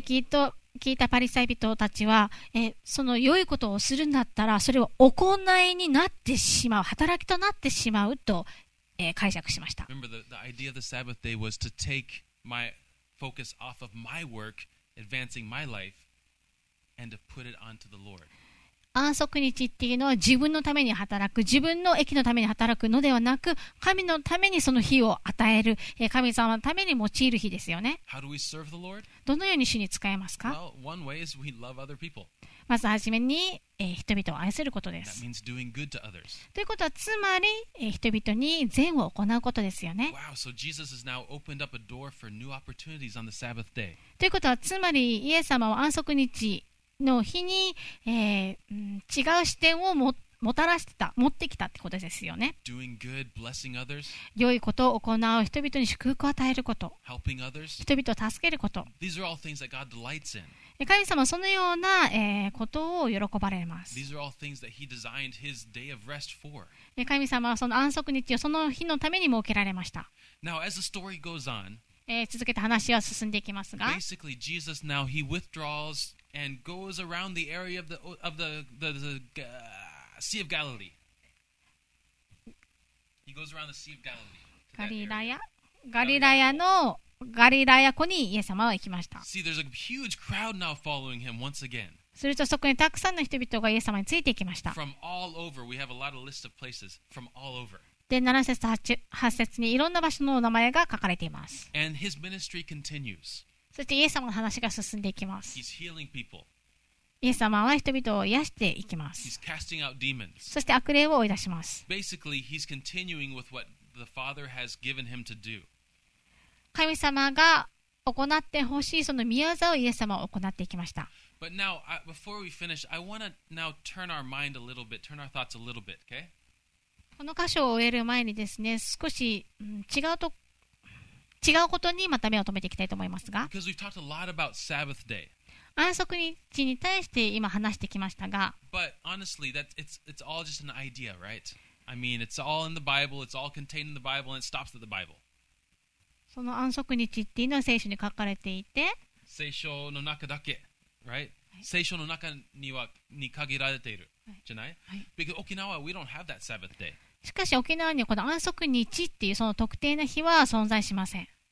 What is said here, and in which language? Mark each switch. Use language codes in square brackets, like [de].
[ja] 聞いたパリサイ人たちは、その良いことをするんだったらそれは行いになってしまう、働きとなってしまうと、解釈しました。 [en] Remember the idea of the Sabbath day was to take my focus off of my work, advancing my life, and to put it onto the Lord. [ja] 安息日っていうのは自分のために働く、自分の益のために働くのではなく、神のためにその日を与える、神様のために用いる日ですよね。 [en] How do we serve the Lord? [ja] どのように主に使えますか。 [en] Well, one way is we love other people. [ja] まずはじめに、人々を愛することです。 [en] That means doing good to others. [ja] ということはつまり、人々に善を行うことですよね。 [en] Wow, so Jesus has now opened up a door for new opportunities on the Sabbath day. [ja] ということはつまりイエス様は安息日の日に、違う視点を持ってきたってことですよね。 [en] Doing good, blessing others. [ja] 良いことを行う、人々に祝福を与えること、 [en] Helping others. [ja] 人々を助けること、 [en] These are all things that God delights in. [ja] 神様はそのような、ことを喜ばれます。 [en] These are all things that he designed his day of rest for. [ja] 神様はその安息日をその日のために設けられました。 [en] Now, as the story goes on, [ja] 続けて話は進んでいきますが、 [en] Basically, Jesus now he withdrawsAnd goes around the area of the Sea of Galilee. He goes around the Sea of Galilee. [ja] Galilea, Galilea のガリラヤ湖にイエス様は行きました。 [en] See, there's a huge crowd now following him once again. [ja] するとそこにたくさんの人々がイエス様について行きました。 [en] From all over, we have a lot of lists of places from all over. [ja] で、7節と8節にいろんな場所の名前が書かれています。 [en] And his ministry continues. [ja] そしてイエス様の話が進んでいきます。 [en] He's healing people. [ja] イエス様は人々を癒していきます。 [en] He's casting out demons. [ja] そして悪霊を追い出します。 [en] Basically, he's continuing with what the Father has given him to do. [ja] 神様が行ってほしいその御業をイエス様は行っていきました。 [en] But now, before we finish, I want to now turn our mind a little bit, turn our thoughts a little bit, okay? [ja] この箇所を終える前にですね、少し、違うことにまた目を留めていきたいと思いますが、安息日に対して今話してきましたが、 [en] honestly, it's all just an idea, right? I mean, it's all in the Bible, it's all contained in the Bible, and it stops at the Bible. [ja] その安息日っていうのは聖書に書かれていて、聖書の中だけ、right? 聖書の中には限られているじゃない？ [en] Because 沖縄 we don't have that Sabbath day. [ja] しかし沖縄にはこの安息日っていうその特定な日は存在しません。